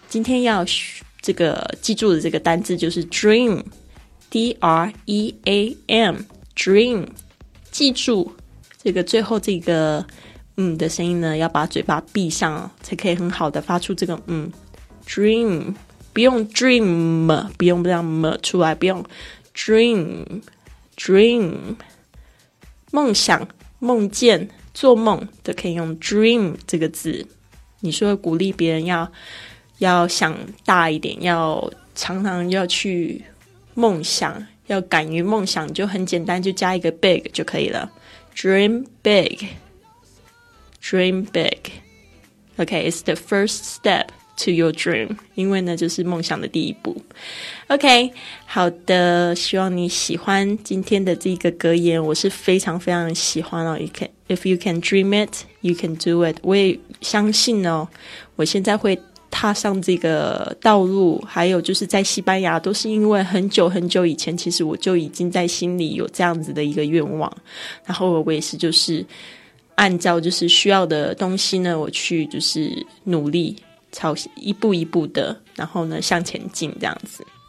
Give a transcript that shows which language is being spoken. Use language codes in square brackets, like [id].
[zh] 今天要这个记住的这个单字就是 dream， D-R-E-A-M dream， 记住这个最后这个的声音呢，要把嘴巴闭上才可以很好的发出这个dream， 不用 dream， 不用这样出来，不用 dream， 梦想、梦见、做梦都可以用 dream 这个字。你说鼓励别人要想大一点，要常常要去梦想，要敢于梦想，就很简单，就加一个 big 就可以了。 [en] Dream big， Dream big， OK， it's the first step to your dream， [zh] 因为呢就是梦想的第一步。 OK， 好的，希望你喜欢今天的这个格言，我是非常非常喜欢哦。 [en] If you can dream it, you can do it， [zh] 我也相信哦，我现在会踏上这个道路，还有就是在西班牙，都是因为很久很久以前，其实我就已经在心里有这样子的一个愿望，然后我也是就是按照就是需要的东西呢，我去就是努力朝一步一步的，然后呢向前进这样子。